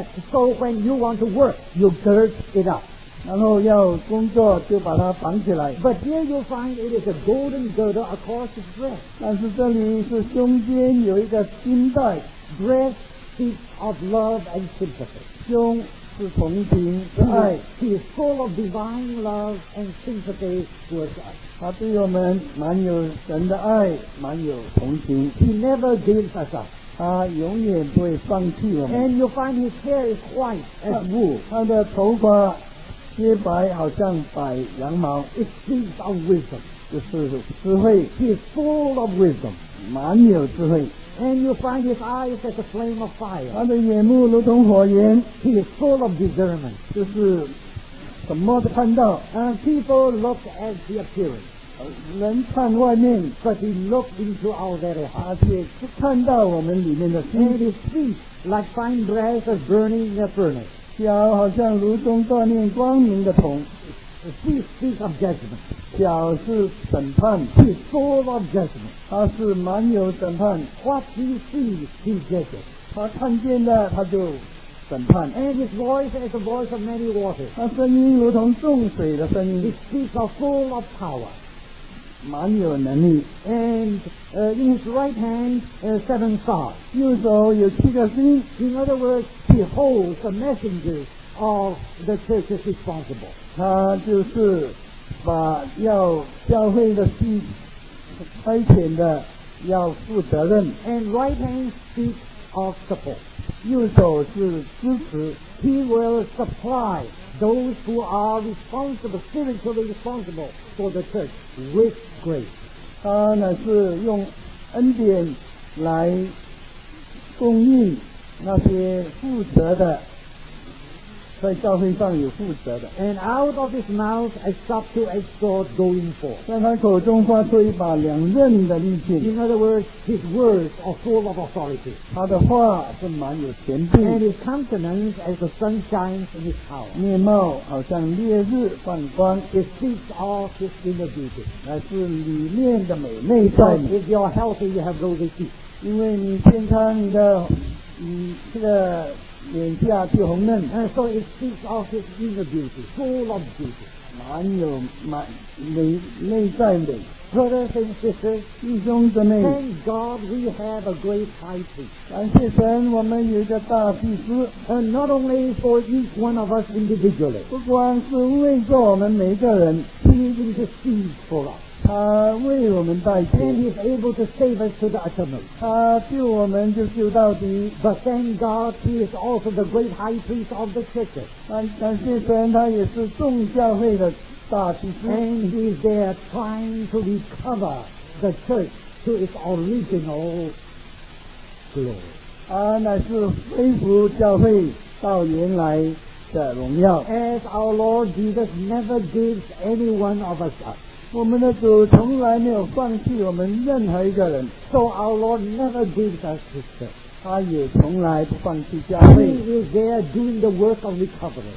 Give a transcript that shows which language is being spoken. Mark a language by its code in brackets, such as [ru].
[en] So when you want to work, you gird it up. [zh] 然后要工作就把它绑起来。 [en] But here you find it is a golden girdle across his breast. [zh] 但是这里是胸间有一个金带。 [en] Breast speaks of love and sympathy. [zh] 胸是同情之爱。 [en] He is full of divine love and sympathy towards us. [zh] 他对我们蛮有神的爱，蛮有同情。 [en] He never gives us up. [zh] 他永远不会放弃我们。 [en] And you find his hair is white as wool. [zh] 他的头发洁白好像白羊毛。 [en] It speaks of wisdom. [zh] 就是智慧。 [en] He is full of wisdom. [zh] 满有智慧。 [en] And you find his eyes as a flame of fire. [zh] 他的眼目如同火焰。 [en] He is full of discernment. [zh] 就是什么都看到。 [en] And people look at the appearance. [zh] 人看外面 [en] but he looked into our very heart. [zh] 而且看到我们里面的心。 [en] And his feet like fine brass are burning in a furnace. [zh] 脚好像炉中锻炼光明的铜。 [en] Feet speak of judgment. [zh] 脚是审判。 [en] He is full of judgment. [zh] 他是满有审判。 [en] What he sees, he judges. [zh] 他看见的他就审判。 [en] And his voice is the voice of many waters. [zh] 他声音如同众水的声音。 [en] He speaks of full of power. [zh] 蛮有能力 [en] and in his right hand seven stars [zh] 右手有七个星 [en] in other words he holds the messengers of the church is responsible [zh] 他就是把要教会的信差遣的要负责任 [en] and right hand speaks of support [zh] 右手是支持 [en] he will supply those who are responsible spiritually responsible for the church with grace [zh] 他乃是用恩典来供应那些负责的在教会上有负责的 [en] and out of his mouth I stop to a sword going forth [zh] 在他口中发出一把两刃的利剑 [en] in other words his words are full of authority [zh] 他的话是蛮有权柄 [en] and his countenance as the sun shines in his house [zh] 面貌好像烈日放光 [en] it speaks of his inner beauty [zh] 乃是里面的美内在美 [en] if you are healthy you have rosy cheeks [zh] 因为你健康你的这个眼下是红嫩 [en] and so it speaks of his inner beauty full of beauty [zh] 蛮有蛮内在的 [en] brothers and sisters [zh] 弟兄姊妹 [en] thank God we have a great high priest [zh] 感谢神我们有一个大祭司 [en] and not only for each one of us individually [zh] 不光是为着我们每个人 [en] he intercedes for us [zh] 他为我们代求 [en] and he is able to save us to the uttermost [zh] 他救我们就救到底 [en] but thank God he is also the great high priest of the church [zh] 感谢神他也是众教会的大祭司 [en] and he is there trying to recover the church to its original glory [zh] 他乃是恢复教会到原来的荣耀 [en] as our Lord Jesus never gives any one of us up [zh] 我们的主从来没有放弃我们任何一个人 [en] So our Lord never gives us his church [zh] 他也从来不放弃教会 [en] He is there doing the work of recovery